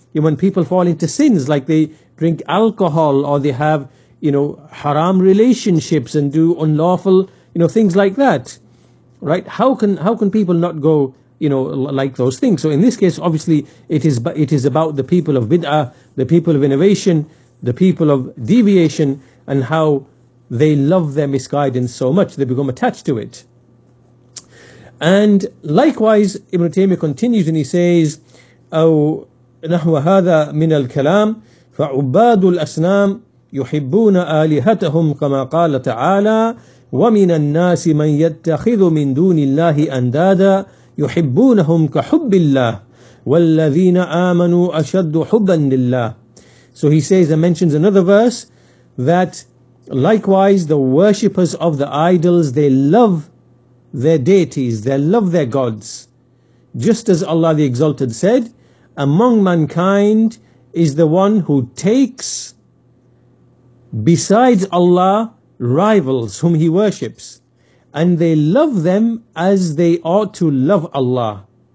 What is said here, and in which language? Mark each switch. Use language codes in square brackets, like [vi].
[en] When people fall into sins, like they drink alcohol or they have, you know, haram relationships and do unlawful, you know, things like that, right? How can people not go, you know, like those things? So in this case, obviously it is about the people of bid'ah, the people of innovation, the people of deviation, and how they love their misguidance so much they become attached to it. And likewise, Ibn Taymiyyah continues and he says, [ar] أو نحو هذا من الكلام فعباد الأصنام يحبون آلهتهم كما قال تعالى ومن الناس من يتخذ من دون الله أندادا يحبونهم كحب الله والذين آمنوا أشد حبا لله. [en] So he says and mentions another verse that likewise the worshippers of the idols, they love their deities, they love their gods. Just as Allah the Exalted said, among mankind is the one who takes besides Allah rivals whom he worships, and they love them as they ought to love Allah.